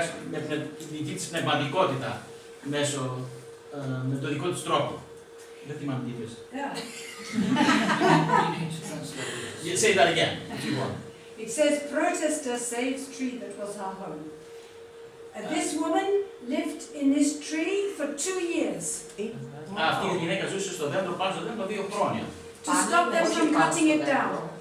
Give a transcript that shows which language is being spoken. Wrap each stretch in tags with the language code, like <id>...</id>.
<el>Με την δική της πνευματικότητα μέσω με το δικό της τρόπο. Δεν θυμάμαι τι είπες.</el> <en>Yeah. Say that again, if you want. It says, protester saves tree that was her home. This woman lived in this tree for 2 years.</en> <el>Αυτή η γυναίκα ζούσε στο δέντρο, πάνω στο δέντρο 2 χρόνια.</el> <en>To stop them from cutting it down.</en>